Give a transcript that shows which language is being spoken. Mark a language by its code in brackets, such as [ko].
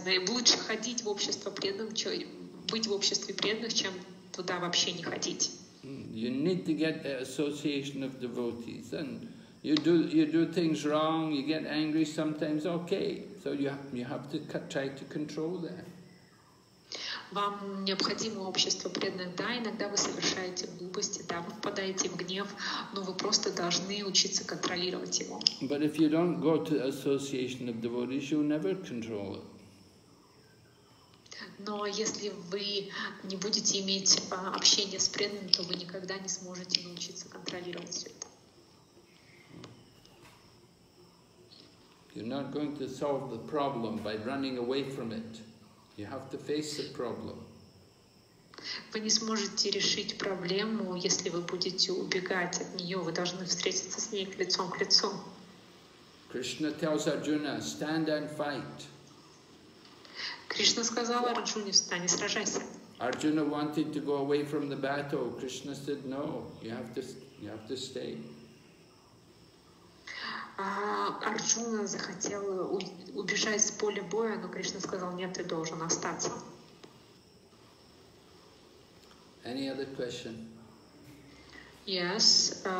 [ru] Лучше ходить в общество преданных, чем быть в обществе преданных, чем туда вообще не ходить. [en] You need to get the association of devotees, and you do things wrong, you get angry sometimes. Okay, so you have to try to control that. [ru] Вам необходимо общество преданных. Да, иногда вы совершаете глупости, да, вы впадаете в гнев, но вы просто должны учиться контролировать его. [en] But if you don't go to the association of devotees, you'll never control it. [ru] Но если вы не будете иметь общение с преданным, то вы никогда не сможете научиться контролировать все это. [en] You're not going to solve the problem by running away from it. You have to face the problem. [ru] Вы не сможете решить проблему, если вы будете убегать от нее. Вы должны встретиться с ней лицом к лицу. [en] Krishna tells Arjuna, stand and fight. [ru] Кришна сказал Арджуне, встань и сражайся. [en] Arjuna wanted to go away from the battle. Krishna said, no, you have to stay. [ru] Арджуна захотел убежать с поля боя, но Кришна сказал, нет, ты должен остаться. [en] Any other question? Yes.